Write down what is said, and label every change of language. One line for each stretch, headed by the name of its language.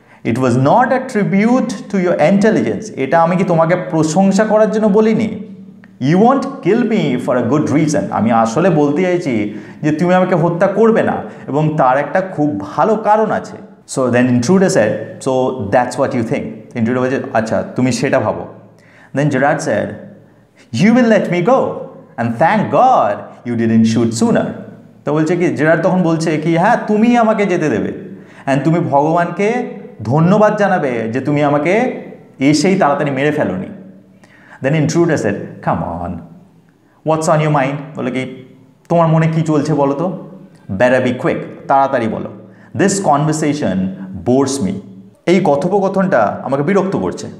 English: it was not a tribute to your intelligence,
Bangla: এটা আমি কি তোমাকে প্রশংসা করার জন্য বলিনি।
English: you want kill me for a good reason,
Bangla: আমি আসলে বলতে চাইছি যে তুমি আমাকে হত্যা করবে না এবং তার একটা খুব ভালো কারণ আছে।
English: so then intruder sir, so that's what you think,
Bangla: intruder বলছে আচ্ছা তুমি সেটা ভাবো।
English: Then Gerard said, you will let me go and thank God you didn't shoot sooner.
Bangla: তো বলছে কি জেরার্ড তখন বলছে কি হ্যাঁ তুমি আমাকে যেতে দেবে, অ্যান্ড তুমি ভগবানকে ধন্যবাদ জানাবে যে তুমি আমাকে এসেই তাড়াতাড়ি মেরে felony.
English: then intruder sir, come on, what's on your mind,
Bangla: বলে কি তোমার মনে কী চলছে বলো তো,
English: better be quick,
Bangla: তাড়াতাড়ি বলো,
English: this conversation bores me,
Bangla: এই কথোপকথনটা আমাকে বিরক্ত করছে।